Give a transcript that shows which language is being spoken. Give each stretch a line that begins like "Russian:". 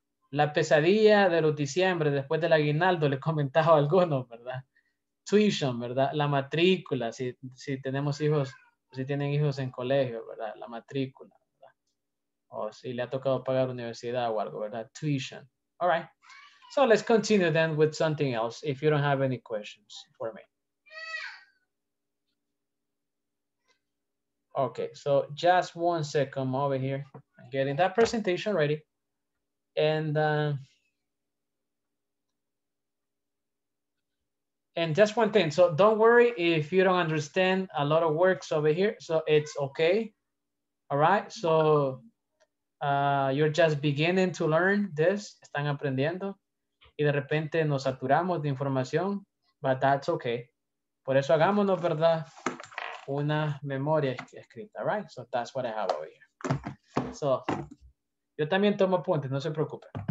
Spanish: La pesadilla de los diciembre, después del aguinaldo, le comentaba a algunos, ¿verdad? Tuition, ¿verdad? La matrícula, si tenemos hijos, si tienen hijos en colegio, ¿verdad? La matrícula, ¿verdad? O si le ha tocado pagar universidad o algo, ¿verdad?
English: Tuition. All right. So let's continue then with something else if you don't have any questions for me. Okay, so just one second over here. I'm getting that presentation ready. And and just one thing, so don't worry if you don't understand a lot of words over here, so it's okay, all right? So you're just beginning to learn this,
Spanish: están aprendiendo, y de repente nos saturamos de información,
English: but that's okay.
Spanish: Por eso hagámonos, ¿verdad? Una memoria escrita,
English: all right? So that's what I have over here.
Spanish: So yo también tomo apuntes, no se preocupe.